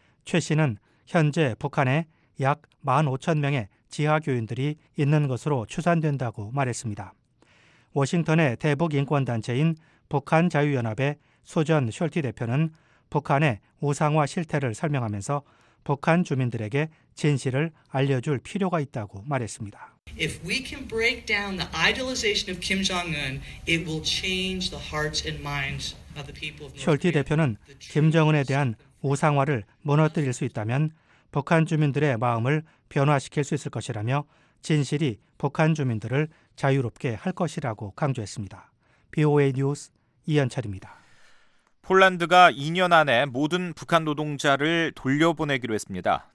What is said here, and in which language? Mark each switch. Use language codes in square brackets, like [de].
[ko] 최 씨는 현재 북한에 약 15,000명의 지하 교인들이 있는 것으로 추산된다고 말했습니다. 워싱턴의 대북 인권 단체인 북한 자유연합의 소전 숄티 대표는 북한의 우상화 실태를 설명하면서 북한 주민들에게 진실을 알려줄 필요가 있다고 말했습니다. [en] If we can break down the idolization of Kim Jong-un, it will change the hearts and minds of the people of North Korea. [ko] 숄티 대표는 김정은에 대한 우상화를 무너뜨릴 수 있다면 북한 주민들의 마음을 변화시킬 수 있을 것이라며 진실이 북한 주민들을 자유롭게 할 것이라고 강조했습니다. BOA 뉴스 이현철입니다. 폴란드가 2년 안에 모든 북한 노동자를 돌려보내기로 했습니다.